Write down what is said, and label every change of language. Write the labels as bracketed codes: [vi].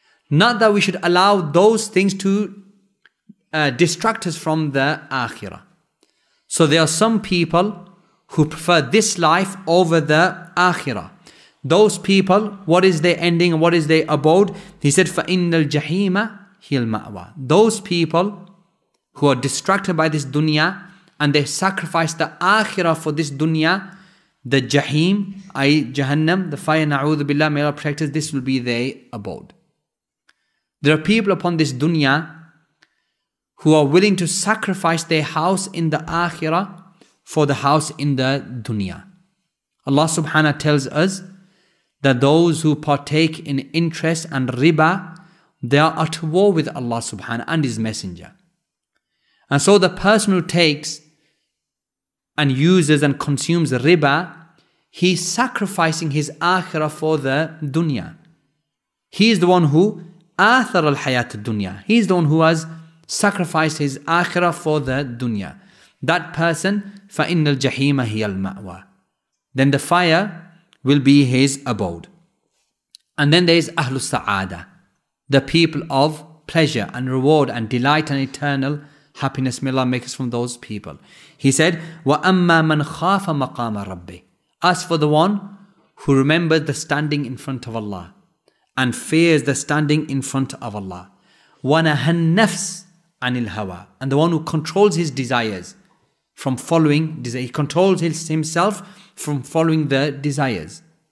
[en] Not that we should allow those things to distract us from the akhirah. So there are some people who prefer this life over the akhirah. Those people, what is their ending and what is their abode? He said, [ar] فَإِنَّ الْجَحِيمَ هِيَ الْمَأْوَى. [en] Those people who are distracted by this dunya and they sacrifice the akhirah for this dunya, the Jahim, i.e. Jahannam, the fire, na'udhu billah, may Allah protect us, this will be their abode. There are people upon this dunya who are willing to sacrifice their house in the akhirah for the house in the dunya. Allah subhanahu tells us that those who partake in interest and riba, they are at war with Allah subhanahu and His messenger. And so the person who takes and uses and consumes riba, he's sacrificing his akhirah for the dunya. He is the one who athar al-hayat al-dunya. He is the one who has sacrificed his akhirah for the dunya. That person, [ar] فَإِنَّ الْجَحِيمَ هِيَ الْمَأْوَى. [en] Then the fire will be his abode. And then there is Ahlul Sa'ada, the people of pleasure and reward and delight and eternal happiness. May Allah make us from those people. He said, [ar] وَأَمَّا مَنْ خَافَ مَقَامَ رَبِّهِ. [en] As for the one who remembers the standing in front of Allah and fears the standing in front of Allah. [ar] وَنَهَا النَّفْسِ عَنِ الْهَوَى. [en] And the one who controls his desires from following desire. He controls himself from following the desires.